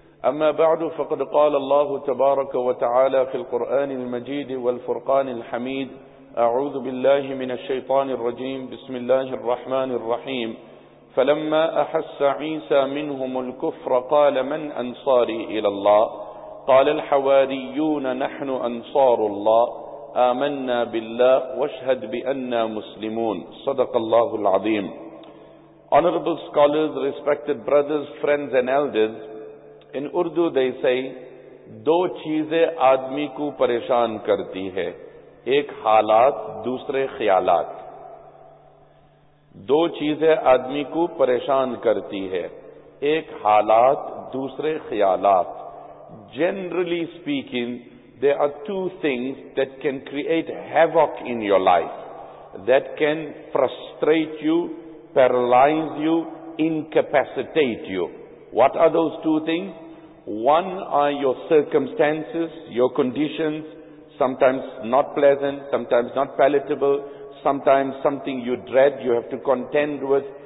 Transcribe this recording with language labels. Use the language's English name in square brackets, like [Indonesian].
[Arabic] أما بعد، فقد قال الله تبارك وتعالى في القرآن المجيد والفرقان الحميد: أعوذ بالله من الشيطان الرجيم، بسم الله الرحمن الرحيم. فلما أحس عيسى منهم الكفر قال: من أنصاري إلى الله؟ قال الحواريون: نحن أنصار الله، آمنا بالله واشهد بأننا مسلمون. صدق الله العظيم. [English] Honorable scholars, respected brothers, friends and elders, in Urdu they say, [Urdu] دو چیزیں آدمی کو پریشان کرتی ہے، ایک حالات، دوسرے خیالات. دو چیزیں آدمی کو پریشان کرتی ہے، ایک حالات، دوسرے خیالات. [English] Generally speaking, there are two things that can create havoc in your life, that can frustrate you, paralyze you, incapacitate you. What are those two things? One are your circumstances, your conditions, sometimes not pleasant, sometimes not palatable, sometimes something you dread, you have to contend with.